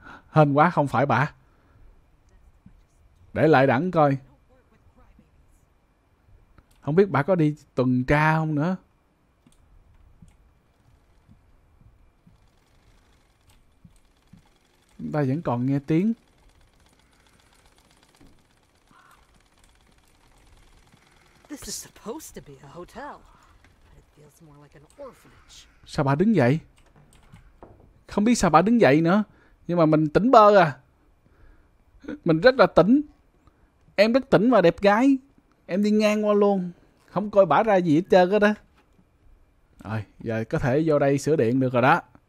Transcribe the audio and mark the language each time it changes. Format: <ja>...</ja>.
<vi>Hên quá không phải bà. Để lại đẳng coi. Không biết bà có đi tuần tra không nữa. Chúng ta vẫn còn nghe tiếng.</vi> <en>This is supposed to be a hotel. But it feels more like an orphanage.</en> <vi>Sao bà đứng dậy? Không biết sao bà đứng dậy nữa. Nhưng mà mình tỉnh bơ à. Mình rất là tỉnh. Em rất tỉnh và đẹp gái. Em đi ngang qua luôn. Không coi bả ra gì hết trơn hết á. Rồi, giờ có thể vô đây sửa điện được rồi đó.</vi>